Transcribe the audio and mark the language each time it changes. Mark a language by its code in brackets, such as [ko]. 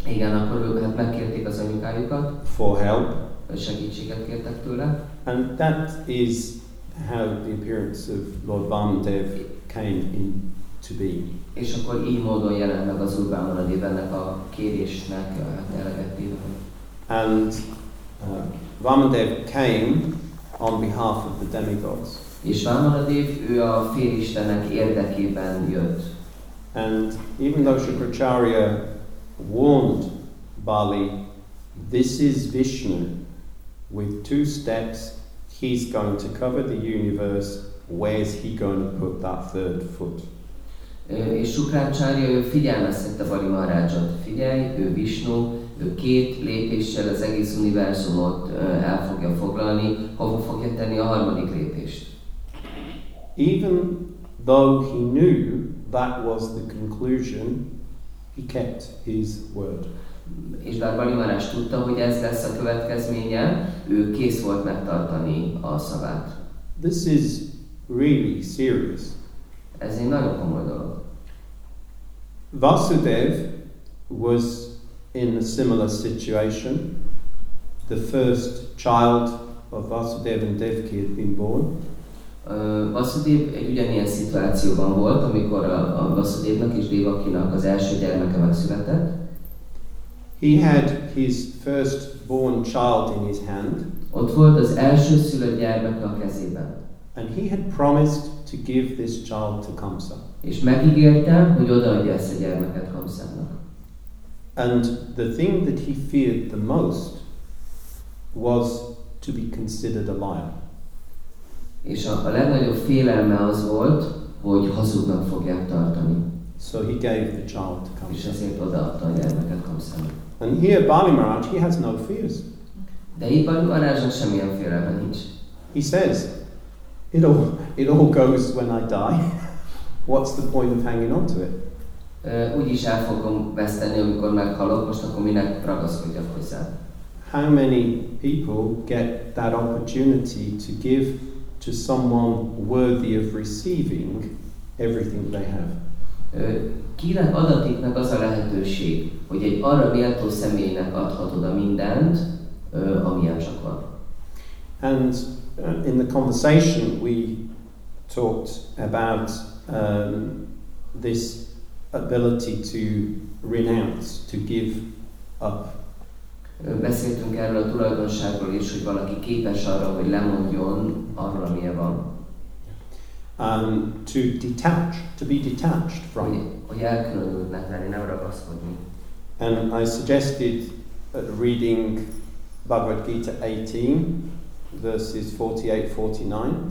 [hu] Igen, akkor ők hát megkérték az anyukájukat. [en] For help. [hu] Segítséget kértek tőle. [en] And that is how the appearance of Lord Vamadev came into being. [hu] És akkor így módon jelent meg az Úr Vámanadév ennek a kérésnek elegettével. [en] And Vamadev came on behalf of the demigods. [hu] És Vámanadév, ő a félistenek érdekében jött. [en] And even though Shukracharya warned Bali, this is Vishnu, with two steps, he's going to cover the universe, where's he going to put that third foot? [hu] És Shukracharya figyelmeztette Bali Maharajot. Figyelj, ő Vishnu, ő két lépéssel az egész univerzumot el fogja foglalni, hova fogja tenni a harmadik lépést. [en] Even though he knew that was the conclusion, he kept his word. [hu] És bár Bali Maharaj tudta, hogy ez lesz a következménye, ő kész volt megtartani a szavát. [en] This is really serious. [hu] Ez egy nagyon komoly dolog. [en] Vasudev was in a similar situation. The first child of Vasudev and Devaki had been born. [hu] Vasudev egy ugyanilyen szituációban volt, amikor a Vasudevnak és Devakinak az első gyermeke megszületett. [en] He had his first born child in his hand. [hu] Ott volt az első szülött gyermeke a kezében. [en] And he had promised to give this child to Kamsa. [hu] És megígérte, hogy odaadja ezt a gyermeket Kamsának. [en] And the thing that he feared the most was to be considered a liar. [hu] És a legnagyobb félelme az volt, hogy hazugnak fogják tartani. [en] So he gave the child to Kamsa. [hu] És ezért odaadta a gyermeket Kamsának. [en] And here Bali Maharaj, he has no fears. [hu] De itt Bali Maharajnak semmilyen félelme nincs. [en] He says, it all goes when I die. What's the point of hanging on to it? [hu] Úgyis el fogom veszteni, amikor meghalok, most akkor minek ragaszkodjak hozzá. [en] How many people get that opportunity to give to someone worthy of receiving everything they have. [hu] Kinek adatik meg az a lehetőség, hogy egy arra méltó személynek adhatod a mindent, amilyen csak van. [en] And in the conversation we talked about this ability to renounce, to give up. [hu] Beszéltünk erről a tulajdonságról is, hogy valaki képes arra, hogy lemondjon arra, mi van. [en] To detach, to be detached from. [hu] Hogy elkülönülnek lenni, nem ragaszkodni. [en] And I suggested reading Bhagavad Gita 18, verses 48-49.